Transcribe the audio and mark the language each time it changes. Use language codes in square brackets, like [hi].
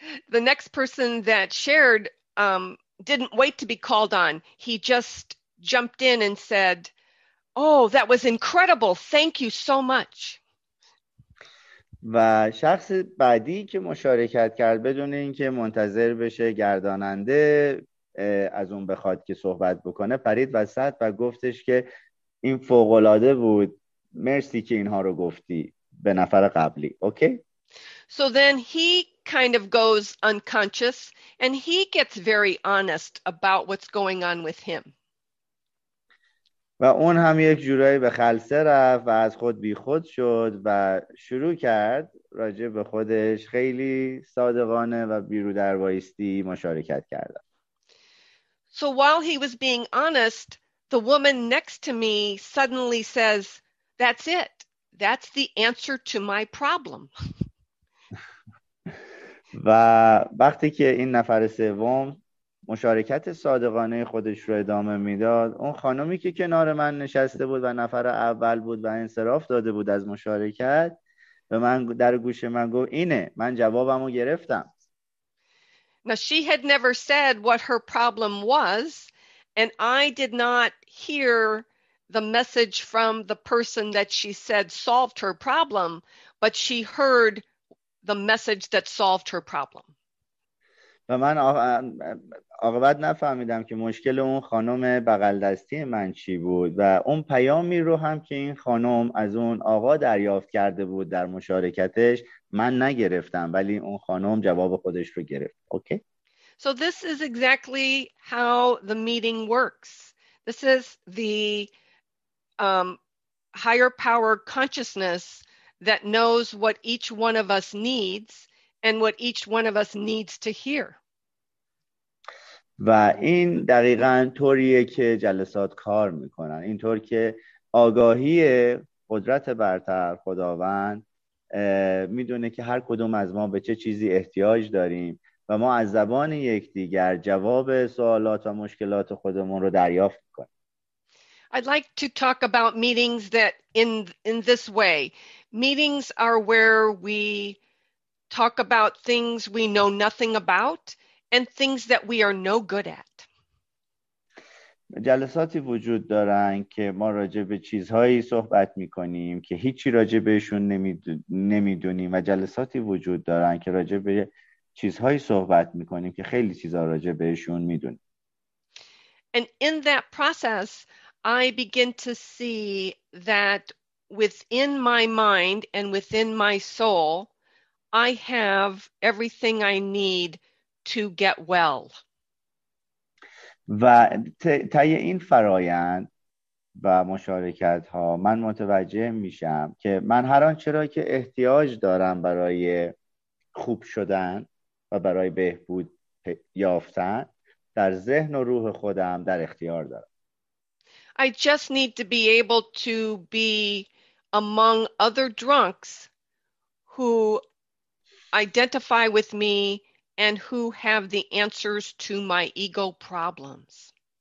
[en] The next person that shared didn't wait to be called on. He just jumped in and said, "Oh, that was incredible. Thank you so much." [fa] و شخص بعدی که مشارکت کرد بدون اینکه منتظر بشه گرداننده از اون بخواد که صحبت بکنه پرید وسط و گفتش که این فوق‌العاده بود، مرسی که اینها رو گفتی به نفر قبلی. اوکی؟ [en] So then he kind of goes unconscious and he gets very honest about what's going on with him. [fa] و اون هم یک جورایی به خلسه رفت و از خود بی خود شد و شروع کرد راجع به خودش خیلی صادقانه و بیرو در بایستی مشارکت کردن. [en] So while he was being honest, the woman next to me suddenly says, "That's it. That's the answer to my problem." [fa] و وقتی که این نفر سوم مشارکت صادقانه خودش رو ادامه میداد، اون خانمی که کنار من نشسته بود و نفر اول بود و انصراف داده بود از مشارکت به من در گوش من گفت اینه، من جوابمو گرفتم. [en] Now she had never said what her problem was and I did not hear the message from the person that she said solved her problem, but she heard the message that solved her problem. [fa] و من عاقبت نفهمیدم که مشکل اون خانم بغل دستی من چی بود و اون پیامی رو هم که این خانم از اون آقا دریافت کرده بود در مشارکتش من نگرفتم، ولی اون خانم جواب خودش رو گرفت. اوکی؟ [en] So this is exactly how the meeting works. This is the higher power consciousness that knows what each one of us needs and what each one of us needs to hear. [fa] و این دقیقاً طوریه که جلسات کار میکنن، اینطور که آگاهی قدرت برتر خداوند میدونه که هر کدوم از ما به چه چیزی احتیاج داریم و ما از زبان یکدیگر جواب سوالات و مشکلات خودمون رو دریافت میکنیم. [en] I'd like to talk about meetings that in this way. Meetings are where we talk about things we know nothing about and things that we are no good at. [fa] جلساتی وجود دارن که ما راجع به چیزهایی صحبت می‌کنیم که هیچی راجع بهشون نمی‌دونیم و جلساتی وجود دارن که راجع به چیزهایی صحبت می‌کنیم که خیلی چیزها راجع بهشون می‌دونیم. [en] And in that process, I begin to see that within my mind and within my soul, I have everything I need to get well. [fa] و طی این فرایند و مشارکت ها من متوجه میشم که من هر آنچه را که احتیاج دارم برای خوب شدن و برای بهبود یافتن در ذهن و روح خودم در اختیار دارم. [en] I just need to be able to be among other drunks who identify with me and who have the answers to my ego problems.